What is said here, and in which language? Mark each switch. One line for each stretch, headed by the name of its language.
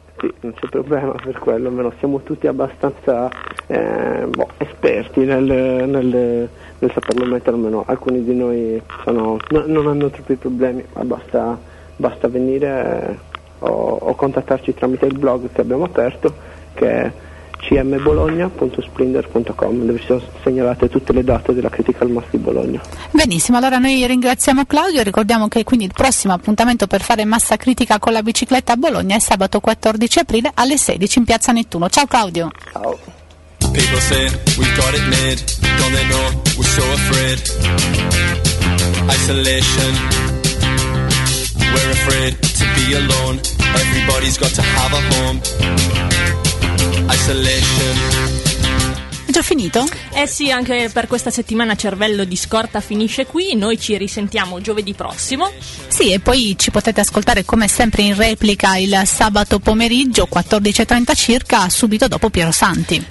Italian: Sì, non c'è problema per quello, almeno siamo tutti abbastanza esperti nel saperlo mettere, almeno alcuni di noi non hanno troppi problemi, ma basta venire o contattarci tramite il blog che abbiamo aperto, che è cmbologna.splinder.com, dove ci sono segnalate tutte le date della Critical Mass di Bologna. Benissimo, allora noi ringraziamo Claudio e ricordiamo che quindi il prossimo appuntamento per fare massa critica con la bicicletta a Bologna è sabato 14 aprile alle 16 in Piazza Nettuno. Ciao Claudio. Ciao.
English: People say we've got it made, don't they know we're so afraid? Isolation, we're afraid to be alone, everybody's got to have a home. Isolation.
Italian: È già finito? Eh sì, anche per questa settimana Cervello di Scorta finisce qui, noi ci risentiamo giovedì prossimo. Sì, e poi ci potete ascoltare come sempre in replica il sabato pomeriggio 14:30 circa, subito dopo Piero Santi.